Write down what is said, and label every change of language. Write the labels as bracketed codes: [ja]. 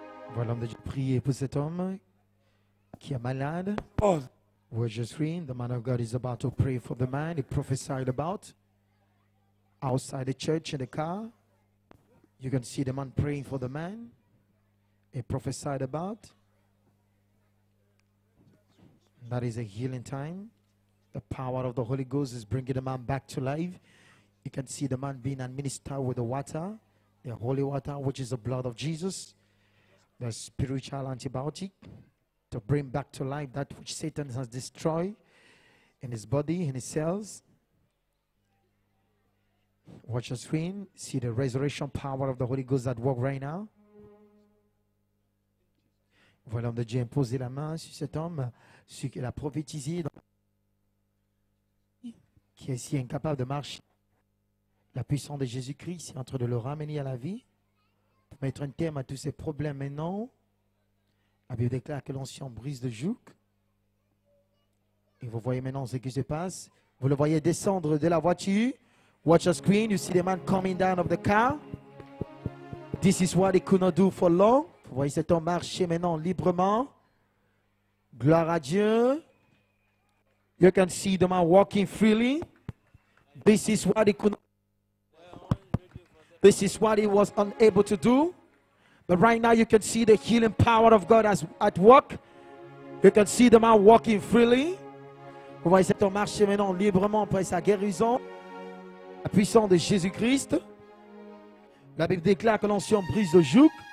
[fr] Voilà, l'homme de Dieu prie pour cet homme qui est malade. Oh. [en] We're just reading. The man of God is about to pray for the man he prophesied about. Outside the church in the car. You can see the man praying for the man he prophesied about. That is a healing time. The power of the Holy Ghost is bringing the man back to life. You can see the man being administered with the water, the holy water, which is the blood of Jesus, the spiritual antibiotic to bring back to life that which Satan has destroyed in his body, in his cells. Watch the screen. See the resurrection power of the Holy Ghost at work right now. [fr] Voilà, on a déjà imposé la main sur cet homme. ce qu'il a prophétisé, qui est si incapable de marcher. La puissance de Jésus-Christ est en train de le ramener à la vie pour mettre un terme à tous ces problèmes. Maintenant, la Bible déclare que l'ancien brise le joug. Et vous voyez maintenant ce qui se passe. Vous le voyez descendre de la voiture. [en] Watch the screen. You see the man coming down of the car. This is what he could not do for long. [fr] Vous voyez cet homme marcher maintenant librement. Gloire à Dieu. [en] You can see the man walking freely. This is what he could not do. This is what he was unable to do. But right now you can see the healing power of God as at work. You can see the man walking freely. [fr] Vous voyez cet homme marcher maintenant librement après sa guérison. La puissance de Jésus-Christ. La Bible déclare que l'ancien brise le joug.